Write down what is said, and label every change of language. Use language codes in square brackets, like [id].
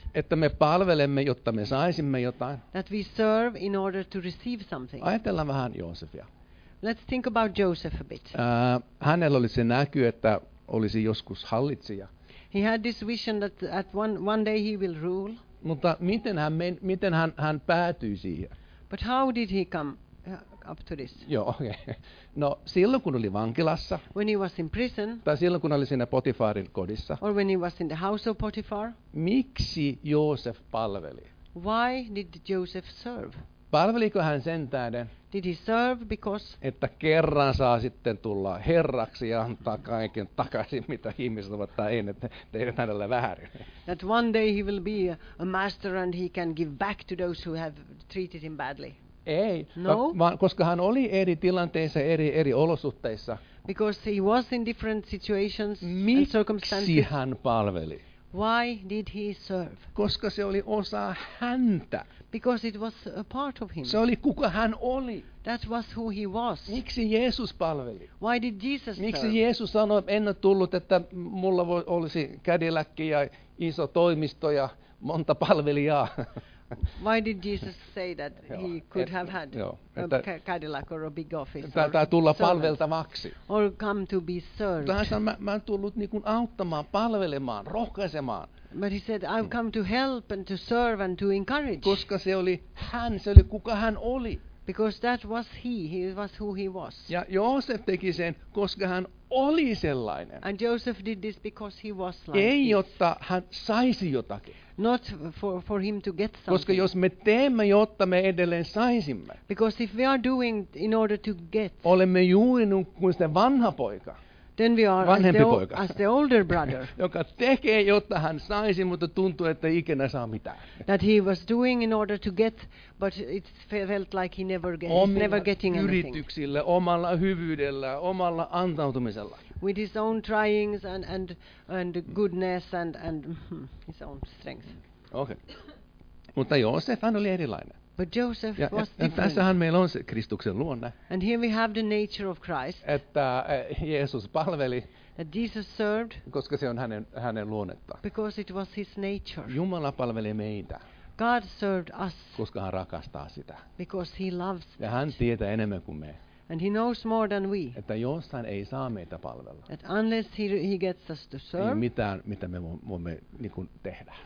[fi] Että me palvelemme, jotta me saisimme jotain. [en] That we serve in order to receive something. [fi] Ajatellaan vähän Joosefia. [en] Let's think about Joseph a bit. [fi] Hänellä oli se näky, että olisi joskus hallitsija. [en] He had this vision that at one day he will rule. [fi] Mutta miten hän päätyi siihen? [en] But how did he come up to this? [fi] Joo, okei. Okay. No, silloin kun oli vankilassa. [en] When he was in prison. [fi] Tai silloin kun oli siinä Potifarin kodissa. [en] Or when he was in the house of Potiphar. [fi] Miksi Joosef palveli? [en] Why did Joseph serve? [fi] Palveliko hän sen tähden? [en] Did he serve because? [fi] Että kerran saa sitten tulla herraksi ja antaa kaiken takaisin, mitä ihmiset ovat tehneet hänellä väärin. [en] That one day he will be a master and he can give back to those who have treated him badly. [fi] Ei, no? Vaan koska hän oli eri tilanteissa, eri olosuhteissa. [en] Because he was in different situations [fi] miksi [en] and circumstances. [fi] Miksi hän palveli? [en] Why did he serve? [fi] Koska se oli osa häntä. [en] Because it was a part of him. [fi] Se oli kuka hän oli. [en] That was who he was. [fi] Miksi Jeesus palveli? [en] Why did Jesus serve? [fi] Miksi Jeesus sanoi, en ole tullut, että mulla olisi kädiläkki ja iso toimisto ja monta palvelijaa? [en] Why did Jesus say that he could have had a Cadillac or a big office? [fi] Tää tulla palveltavaksi. [en] Or come to be served. [fi] Tää sanoo, mä oon tullut niinkun auttamaan, palvelemaan, rohkaisemaan. [en] But he said, I've come to help and to serve and to encourage. [fi] Koska se oli hän, se oli kuka hän oli. [en] Because that was he was who he was. [fi] Ja Joosef teki sen, koska hän oli sellainen. [en] And Joseph did this because he was like. [fi] Ei jotta hän saisi jotakin. [en] Not for him to get something. [fi] Koska jos me teemme, jotta me edelleen saisimme. [en] Because if we are doing in order to get. [fi] Olemme juuri kuin se vanha poika. [en] Then we are [fi] vanhempi [en] as the older brother. [fi] Joka tekee, jotta hän saisi, mutta tuntuu, että ikinä saa mitään. [en] That he was doing in order to get, but it felt like he never gets, [fi] omilla [en] never getting anything. [fi] Omilla yrityksillä, omalla hyvyydellä, omalla antautumisella. [en] With his own tryings and goodness and his own strength. Okay. [fi] Mutta Joosef, hän oli erilainen. [en] But Joseph [fi] ja, [en] was [fi] ja [en] different. [fi] Tässähän meillä on se Kristuksen luonne. [en] And here we have the nature of Christ. [fi] Että Jeesus palveli. [en] That Jesus served. [fi] Koska se on hänen luonnetta. [en] Because it was his nature. [fi] Jumala palveli meitä. [en] God served us. [fi] Koska hän rakastaa sitä. [en] Because he loves. [fi] Ja hän tietää enemmän kuin me. [en] And he knows more than we. [fi] Että jos hän ei saa meitä palvella. [en] That unless he gets us to serve. [fi] Ei mitään, mitä me voimme niin kuin tehdä.